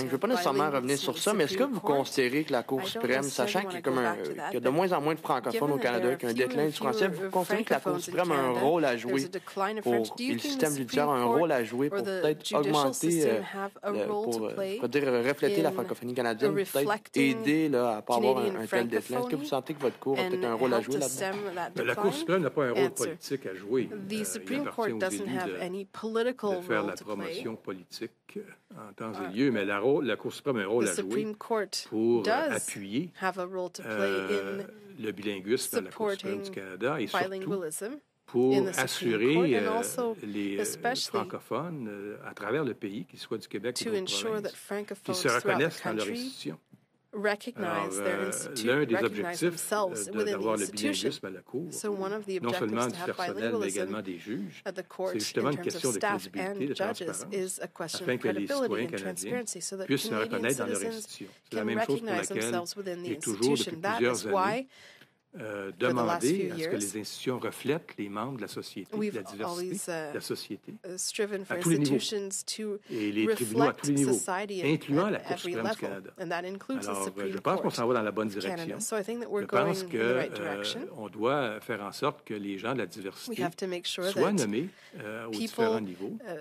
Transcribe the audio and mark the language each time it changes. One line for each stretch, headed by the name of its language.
French: Je ne veux pas nécessairement revenir sur ça, mais est-ce que vous considérez que la Cour suprême, sachant qu'il y a de moins en moins de francophones au Canada, qu'il y a un déclin du français, vous considérez que la Cour suprême a un rôle à jouer pour le système judiciaire, a un rôle à jouer pour peut-être augmenter, pour refléter la francophonie canadienne, peut-être aider à ne pas avoir un tel déclin? Est-ce que vous sentez que votre Cour a peut-être un rôle à jouer là-dedans? La Cour suprême n'a pas un rôle politique à jouer.
English: The Supreme Court doesn't have any political role to play.
French: De faire la promotion politique en temps et lieu, mais la Cour suprême a un rôle à jouer pour appuyer le bilinguisme à la Cour suprême du Canada et surtout pour assurer les francophones à travers le pays, qu'ils soient du Québec ou des provinces, qu'ils se reconnaissent dans leur institution.
English: Recognize their institution, recognize themselves within the institution. So one of the objectives to have bilingualism at the court in terms of staff and judges is a question of credibility and transparency so that Canadian citizens can recognize themselves within the institution. That is why
French: demander à ce que les institutions reflètent les membres de la société, de la diversité de la société, à tous les niveaux, et les tribunaux à tous les niveaux, incluant la Cour suprême du Canada. Alors, je pense qu'on s'en va dans la bonne direction. Je pense qu'on doit faire en sorte que les gens de la diversité soient nommés aux différents niveaux.